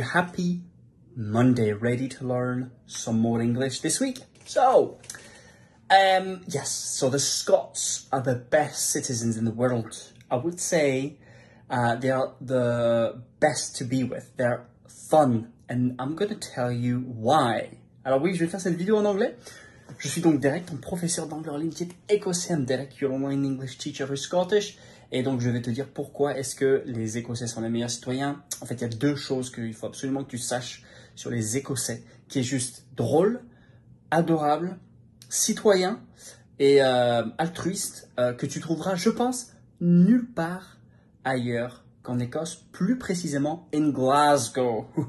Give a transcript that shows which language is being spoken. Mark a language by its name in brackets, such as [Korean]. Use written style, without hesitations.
[English] Happy Monday, ready to learn some more English this week. So, yes, so the Scots are the best citizens in the world. I would say they are the best to be with. They're fun, and I'm going to tell you why. [French] Alors oui, je vais faire cette vidéo en anglais. Je suis donc Derek, ton professeur d'anglais en ligne qui est écossais. [English] I'm Derek, your online English teacher for Scottish. [French] Et donc, je vais te dire pourquoi est-ce que les Écossais sont les meilleurs citoyens. En fait, il y a deux choses qu'il faut absolument que tu saches sur les Écossais, qui est juste drôle, adorable, citoyen et altruiste, que tu trouveras, je pense, nulle part ailleurs qu'en Écosse, plus précisément [English] in Glasgow.